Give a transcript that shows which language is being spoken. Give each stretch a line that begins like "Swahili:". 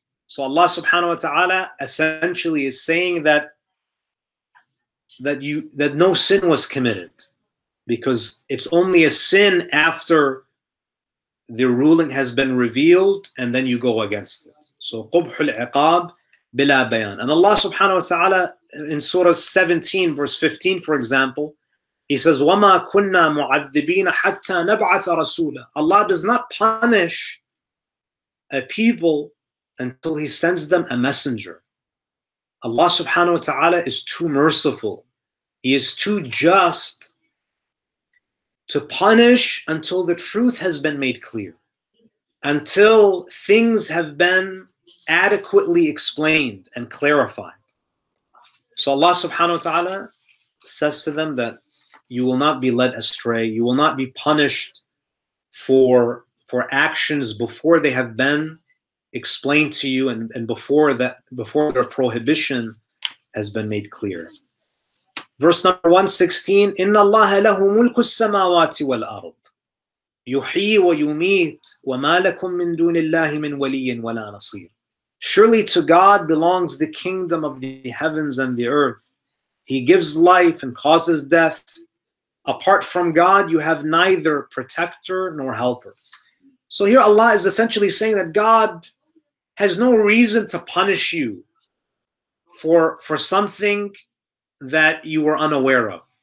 English: So Allah subhanahu wa ta'ala essentially is saying that no sin was committed, because it's only a sin after the ruling has been revealed and then you go against it. So
Arabic: قُبْحُ الْعِقَابِ بِلَا بَيَانٍ.
English: And Allah subhanahu wa ta'ala in Surah 17 verse 15, for example, He says,
Arabic: وَمَا كُنَّا مُعَذِّبِينَ حَتَّى نَبْعَثَ رَسُولًا.
English: Allah does not punish a people until He sends them a messenger. Allah subhanahu wa ta'ala is too merciful. He is too just to punish until the truth has been made clear, until things have been adequately explained and clarified. So Allah subhanahu wa ta'ala says to them that you will not be led astray, you will not be punished for actions before they have been explained to you and before that, before their prohibition has been made clear. Verse number 116,
Arabic: إِنَّ اللَّهَ لَهُ مُلْكُ السَّمَاوَاتِ وَالْأَرْضِ يُحْيِي وَيُمِيتُ وَمَا لَكُم مِّن دُونِ اللَّهِ مِن وَلِيٍّ وَلَا نَصِيرٍ.
English: Surely to God belongs the kingdom of the heavens and the earth. He gives life and causes death. Apart from God, you have neither protector nor helper. So here Allah is essentially saying that God has no reason to punish you for something that you were unaware of.